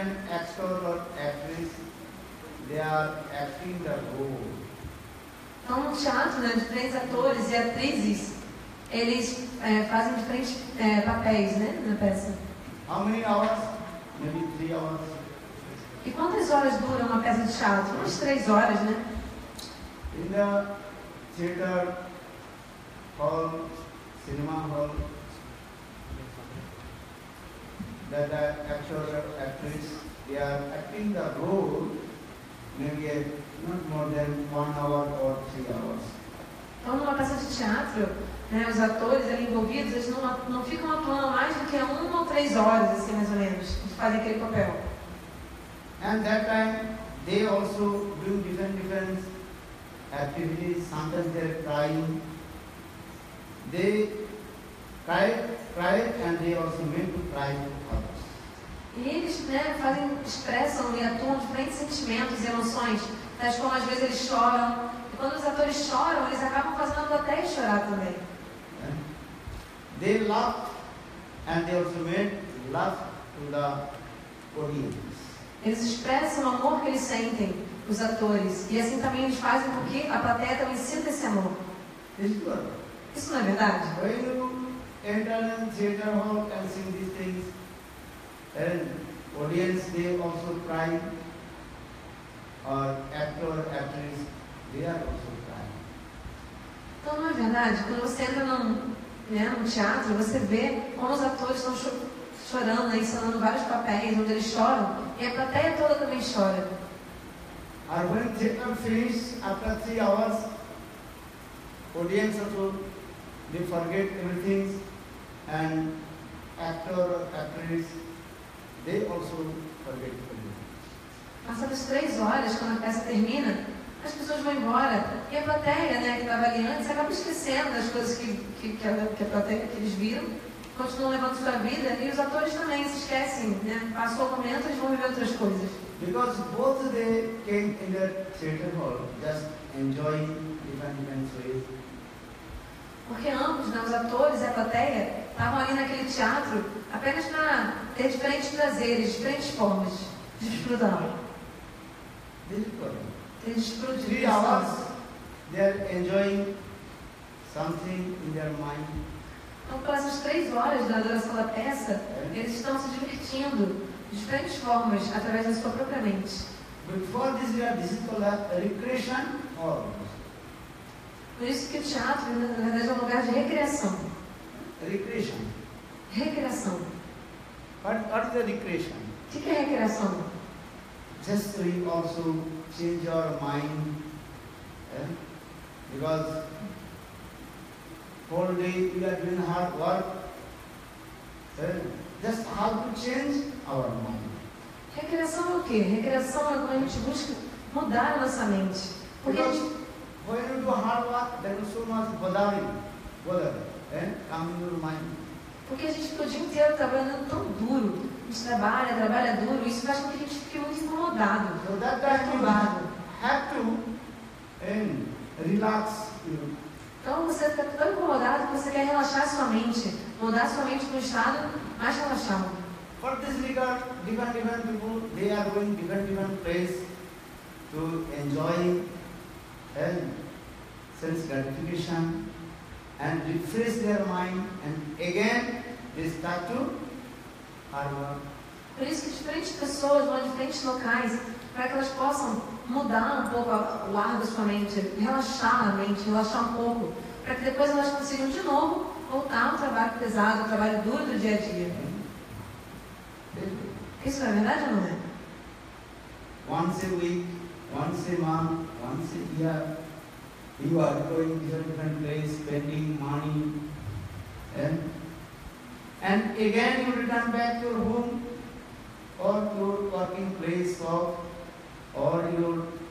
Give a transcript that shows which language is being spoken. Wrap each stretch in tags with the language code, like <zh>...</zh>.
<en>Actors or actresses, they are acting the role.</en> <pt>Então, um teatro, né, de três atores e atrizes, eles fazem diferentes papéis, né, na peça.</pt> <en>How many hours? Maybe 3 hours.</en> <pt>E quantas horas dura uma peça de teatro? Umas 3 horas, né?</pt> <en>In the theater hall, cinema hall, that the actual actress, they are acting the role, maybe not more than 1 hour or 3 hours.</en> <pt>Então, numa peça de teatro, né, os atores ali envolvidos, eles não ficam atuando mais do que 1 ou 3 horas, assim, mais ou menos, de fazer aquele papel.</pt> <en>And that time, they also do different activities, sometimes they're crying. They cry, and they also make to cry to others.</en> <pt>E eles, né, fazem, expressam e atuam diferentes sentimentos e emoções, tais como às vezes eles choram. E quando os atores choram, eles acabam fazendo até chorar também.</pt> <en>Yeah. They laugh, and they also make laugh to the audience.</en> <pt>Eles expressam o amor que eles sentem, os atores. E assim também eles fazem com que a plateia também sinta esse amor. Isso não é verdade? Quando você entra no theater hall e vê essas coisas, a audiência também chora. Ou ator, atriz, eles também choram. Então não é verdade? Quando você entra num, né, num teatro, você vê como os atores estão chorando, né, ensinando vários papéis onde eles choram. E a plateia toda também chora.</pt> <en>And when theater finishes after 3 hours, audience also they forget everything, and actor or actress they also forget everything.</en> <pt>Passadas 3 horas, quando a peça termina, as pessoas vão embora e a plateia, né, que estava ali antes, acaba esquecendo as coisas que a plateia que eles viram. Continuam levando sua vida e os atores também se esquecem, né? Passou o momento, eles vão viver outras coisas.</pt> <en>Because both they came in the theater hall just enjoying different events with.</en> <pt>Porque ambos, né, os atores e a plateia, estavam ali naquele teatro apenas para ter diferentes prazeres, diferentes formas de desfrutar. Desfrutar. 3 horas,</pt> <en>they are enjoying something in their mind.</en> <pt>Então, quase as 3 horas da adoração da peça, eles estão se divertindo de diferentes formas, através da sua própria mente.</pt> <en>Before this, we are called a recreation hall.</en> <pt>Por isso que o teatro, na verdade, é um lugar de recreação.</pt> <en>Recreation.</en> <pt>Recreação.</pt> <en>What is the recreation?</en> <pt>O que é recreação?</pt> <en>Just to also change your mind, because all day we are doing hard work. Just how to change our mind.</en> <pt>Recreação é o quê? Recreação é quando a gente busca mudar a nossa mente. Porque</pt> <en>when you do hard work, there is so much bothering, coming to your mind.</en> <pt>Porque a gente fica o dia inteiro trabalhando tão duro. A gente trabalha duro, isso faz com que a gente fique muito incomodado.</pt> <en>So that</en> <pt>perturbado.</pt> <en>Have to relax,</en> <pt>Então você fica tão incomodado que você quer relaxar sua mente, mudar sua mente para um estado mais relaxado.</pt> <en>For this regard, different people, they are going to different place to enjoy and sense gratification and refresh their mind, and again they start to hard work.</en> <pt>Por isso que diferentes pessoas vão a diferentes locais para que elas possam mudar um pouco o ar da sua mente, relaxar a mente, relaxar um pouco, para que depois elas consigam de novo voltar ao trabalho pesado, ao trabalho duro do dia a dia. Isso é verdade ou não é?</pt> <en>Once a week, once a month, once a year, you are going to different place, spending money, and again you return back to your home or to your working place of or your</en>